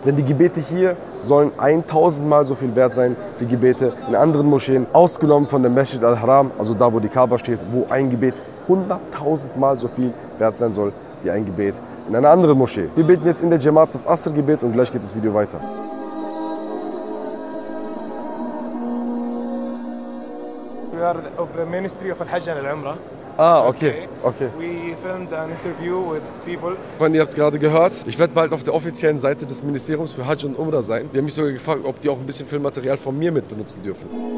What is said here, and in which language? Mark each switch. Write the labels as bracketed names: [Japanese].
[German] Denn die Gebete hier sollen 1000-mal so viel wert sein wie Gebete in anderen Moscheen. Ausgenommen von der Masjid al-Haram, also da, wo die Kaaba steht, wo ein Gebet 100.000-mal so viel wert sein soll wie ein Gebet in einer anderen Moschee. Wir beten jetzt in der Jamaat das Asr-Gebet und gleich geht das Video weiter. [English] We are of the Ministry of Al-Hajj and Al-Umrah. Ah, okay. Okay. We filmed an interview with people. [German] Freunde, ihr habt gerade gehört, ich werde bald auf der offiziellen Seite des Ministeriums für Hajj und Umrah sein. Die haben mich sogar gefragt, ob die auch ein bisschen Filmmaterial von mir mit benutzen dürfen.